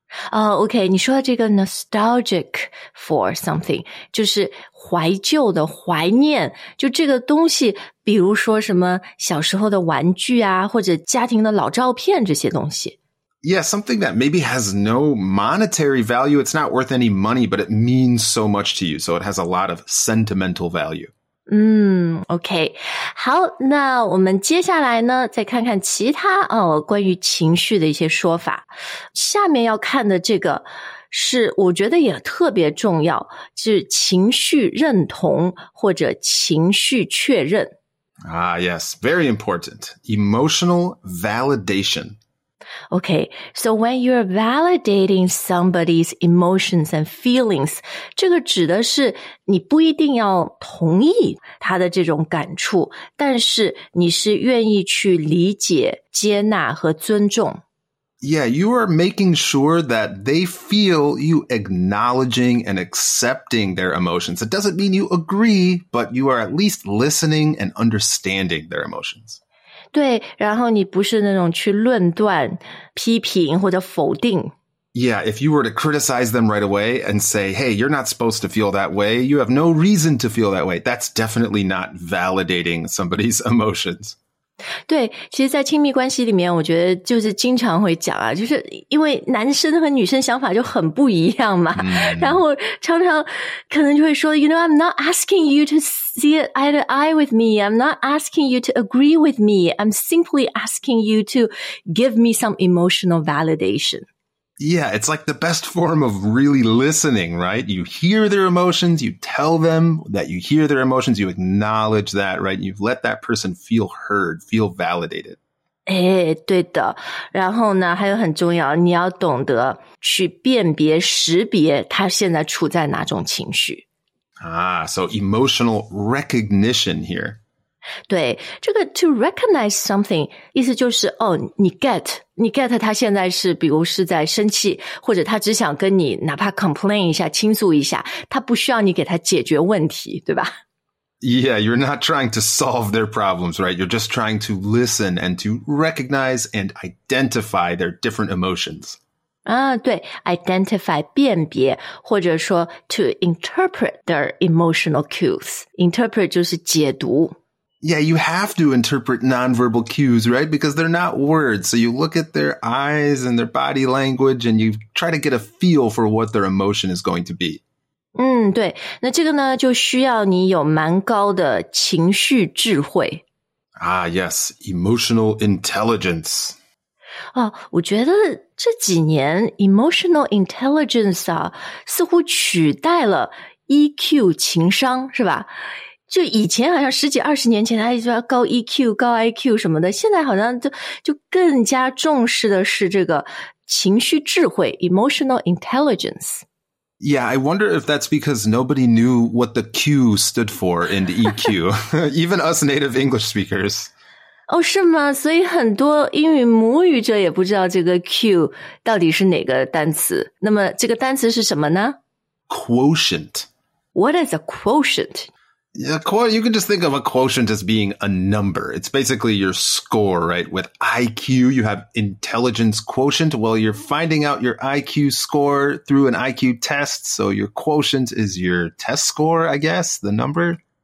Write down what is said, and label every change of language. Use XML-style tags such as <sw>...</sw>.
<zh>Okay, 你说这个</zh> <en>nostalgic for something,</en> <zh>就是怀旧的怀念，就这个东西比如说什么小时候的玩具啊，或者家庭的老照片这些东西。</zh> <en>Yeah, something that maybe has no monetary value, it's not worth any money, but it means so much to you, so it has a lot of sentimental value. Okay.</en> <zh>好，那我们接下来呢，再看看其他关于情绪的一些说法。下面要看的这个是我觉得也特别重要，就是情绪认同或者情绪确认。</zh> <en>Ah, yes, very important. Emotional validation. Okay, so when you're validating somebody's emotions and feelings,</en> <zh>这个指的是你不一定要同意他的这种感触，但是你是愿意去理解、接纳和尊重。</zh> <en>Yeah, you are making sure that they feel you acknowledging and accepting their emotions. It doesn't mean you agree, but you are at least listening and understanding their emotions.</en> <zh>对，然后你不是那种去论断、批评或者否定。</zh> <en>Yeah, if you were to criticize them right away and say, hey, you're not supposed to feel that way, you have no reason to feel that way, that's definitely not validating somebody's emotions.</en> <zh>对，其实在亲密关系里面我觉得就是经常会讲啊，就是因为男生和女生想法就很不一样嘛、mm. 然后常常可能就会说</zh> <en>You know, I'm not asking you to see it eye to eye with me. I'm not asking you to agree with me. I'm simply asking you to give me some emotional validation. Yeah, it's like the best form of really listening, right? You hear their emotions, you tell them that you hear their emotions, you acknowledge that, right? You've let that person feel heard, feel validated.</en> <zh>哎，对的。然后呢，还有很重要，你要懂得去辨别、识别他现在处在哪种情绪。</zh> <en>Ah, so emotional recognition here.</en> <zh>对，这个</zh> <en>to recognize something</en> <zh>意思就是哦，你 get 他现在是比如是在生气，或者他只想跟你哪怕 complain 一下，倾诉一下，他不需要你给他解决问题，对吧？</zh> <en>Yeah, you're not trying to solve their problems, right? You're just trying to listen and to recognize and identify their different emotions.</en> <zh>啊，对， identify 辨别，或者说</zh> <en>to interpret their emotional cues.</en> <zh>Interpret 就是解读。</zh> <en>Yeah, you have to interpret nonverbal cues, right? Because they're not words. So you look at their eyes and their body language and you try to get a feel for what their emotion is going to be.</en> <zh>嗯，对。那这个呢，就需要你有蛮高的情绪智慧。</zh> <en>Ah, yes. Emotional intelligence.</en> <zh>哦，我觉得这几年 emotional intelligence 啊，似乎取代了 EQ 情商，是吧？就以前好像十几二十年前，大家就要高 EQ、高 IQ 什么的，现在好像就更加重视的是这个情绪智慧 ，emotional intelligence。</zh> <en>Yeah, I wonder if that's because nobody knew what the Q stood for in the EQ, even us native English speakers.</en> <zh>哦，是吗？所以很多英语母语者也不知道这个 Q 到底是哪个单词。那么这个单词是什么呢</zh> <en>？Quotient. What is a quotient? Yeah, you can just think of a quotient as being a number. It's basically your score, right? With IQ, you have intelligence quotient. Well, you're finding out your IQ score through an IQ test. So your quotient is your test score, I guess, the number.</en>